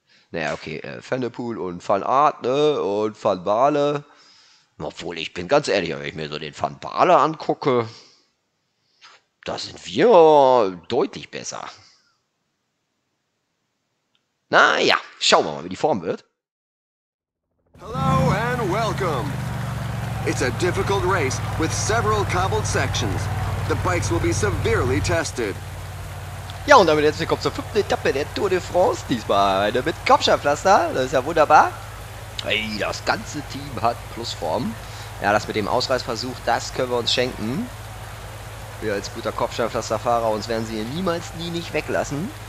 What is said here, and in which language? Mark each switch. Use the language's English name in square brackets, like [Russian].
[German] Naja, okay, Fennepool und Van Aert, ne, und Van Baarle. Obwohl, ich bin ganz ehrlich, wenn ich mir so den Van Baarle angucke, Da sind wir deutlich besser. Na ja, schauen wir mal, wie die Form wird. [English] Hello and welcome. It's a difficult race with several cobbled sections. The bikes will be severely tested. [German] Ja, und damit jetzt willkommen zur fünften Etappe der Tour de France. Diesmal mit Kopfsteinpflaster. Das ist ja wunderbar. Hey, das ganze Team hat Plusform. Ja, das mit dem Ausreißversuch, das können wir uns schenken. Wir als guter Kopfsteinpflasterfahrer, uns werden sie niemals, nie nicht weglassen.